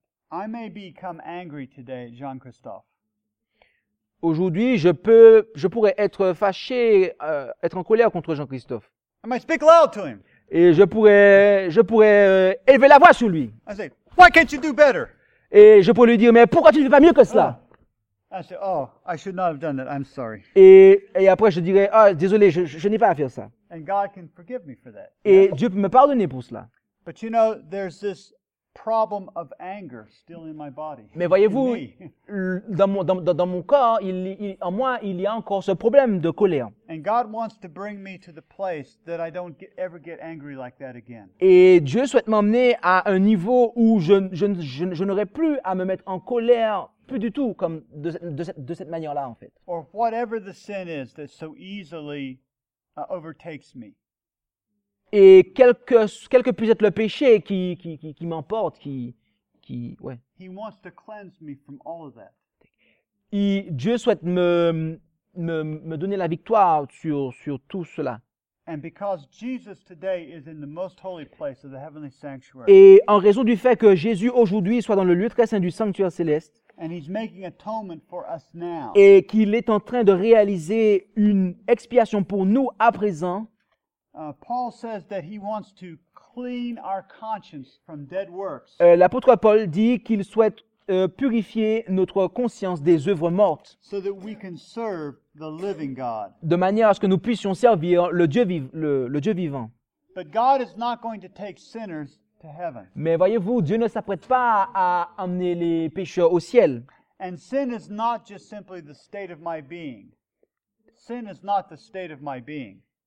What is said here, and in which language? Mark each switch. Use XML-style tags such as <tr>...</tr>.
<en>I may become angry today, Jean-Christophe.</en> <fr>Aujourd'hui, je pourrais être fâché, être en colère contre Jean-Christophe.</fr> <en>I might speak loud to him.</en> <fr>Et je pourrais élever la voix sur lui.</fr> <en>I say, "Why can't you do better?"</en> <fr>Et je pourrais lui dire, mais pourquoi tu ne fais pas mieux que cela?</fr> <en>I say, "Oh, I should not have done that. I'm sorry."</en> <fr>Et après, je dirais, oh, désolé, je n'ai pas à faire ça.</fr> <en>And God can forgive me for that.</en> <fr>Et yeah. Dieu peut me pardonner pour cela.</fr> <en>But you know, there's this problem of anger still in my body.</en> <fr>Mais voyez-vous, dans mon corps, il y a encore ce problème de colère.</fr> <en>And God wants to bring me to the place that I don't ever get angry like that again.</en> <fr>Et Dieu souhaite m'emmener à un niveau où je n'aurai plus à me mettre en colère plus du tout comme de cette manière-là en fait.</fr> <en>Or whatever the sin is that so easily overtakes me.</en> <fr>Et quelque puisse être le péché qui m'emporte, qui ouais.</fr> <en>He wants to cleanse me from all of that.</en> <fr>Dieu souhaite me donner la victoire sur tout cela.</fr> <en>And because Jesus today is in the most holy place of the heavenly sanctuary.</en> <fr>Et en raison du fait que Jésus aujourd'hui soit dans le lieu très saint du sanctuaire céleste.</fr> <en>And he's making atonement for us now.</en> <fr>Et qu'il est en train de réaliser une expiation pour nous à présent.</fr> <en>Paul says that he wants to clean our conscience from dead works.</en> <fr>L'apôtre Paul dit qu'il souhaite purifier notre conscience des œuvres mortes.</fr> <en>So that we can serve the living God.</en> <fr>De manière à ce que nous puissions servir le Dieu vivant.</fr> <en>But God is not going to take sinners to heaven.</en> <fr>Mais voyez-vous, Dieu ne s'apprête pas à emmener les pécheurs au ciel.</fr> <en>And sin is not just simply the state of my being. Sin is not the state of my being.</en>